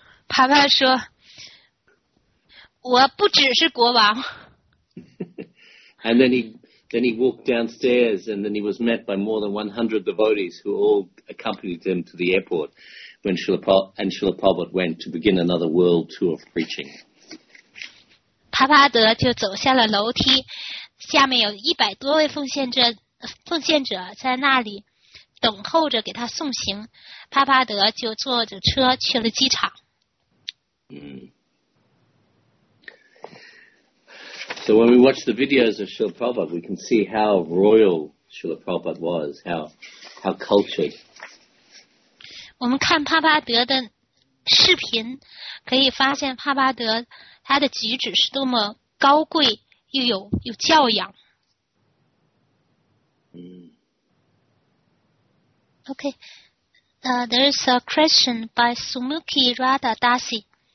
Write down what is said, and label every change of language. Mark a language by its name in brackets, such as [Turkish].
[Chinese] Prabhupada 说，我不只是国王。 [English] And then he walked downstairs, and then he was met by more than 100 devotees who all accompanied him to the airport when Srila Prabhupada went to begin another world tour of preaching. [Chinese] 帕帕德就走下了楼梯，下面有一百多位奉献者在那里等候着给他送行。帕帕德就坐着车去了机场。 [English] So when we watch the videos of Srila Prabhupada, we can see how royal Srila Prabhupada was, how cultured. [Chinese] 我们看帕帕德的视频，可以发现帕帕德。他的举止是多么高贵又有教养。 [English] Okay, there is a question by Sumuki Radha Dasi.